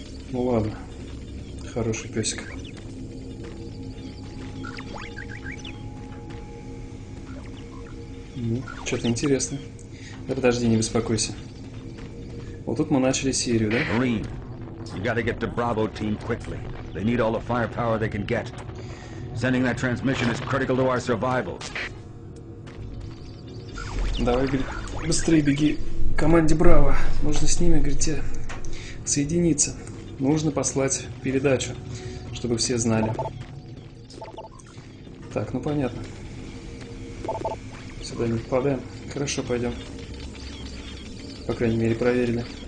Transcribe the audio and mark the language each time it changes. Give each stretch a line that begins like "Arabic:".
Russian: Ну ладно. Хороший песик. Что-то интересное. Да подожди, не беспокойся. Вот тут мы начали серию, да?
English: Green, you gotta get the Bravo team quickly. They need all the firepower they can get. Sending that transmission is critical to our survival.
Russian: Давай, Грик. Быстрее беги к команде Браво. Нужно с ними, говорите, соединиться. Нужно послать передачу, чтобы все знали. Так, ну понятно. Сюда не попадаем. Хорошо, пойдем. По крайней мере, проверили.